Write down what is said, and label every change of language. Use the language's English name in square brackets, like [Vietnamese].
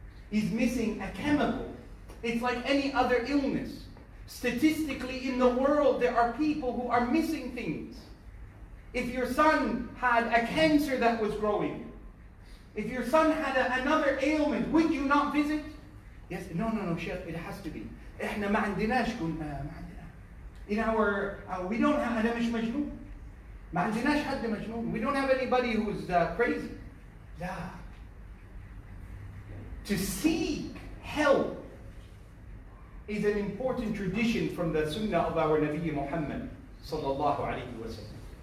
[English] He's missing a chemical. It's like any other illness. Statistically in the world, there are people who are missing things. If your son had a cancer that was growing, if your son had another ailment, would you not visit? Yes, no, Sheikh, it has to be. [Arabic] إحنا ما عندناش كنا ما عندنا. [English] In our, we don't have [Arabic] أنا مش مجنون. ما عندناش حد مجنون. [English] We don't have anybody who's crazy. [Arabic] لا. [English] To seek help is an important tradition from the Sunnah of our Nabi Muhammad [Arabic] صلى الله عليه وسلم.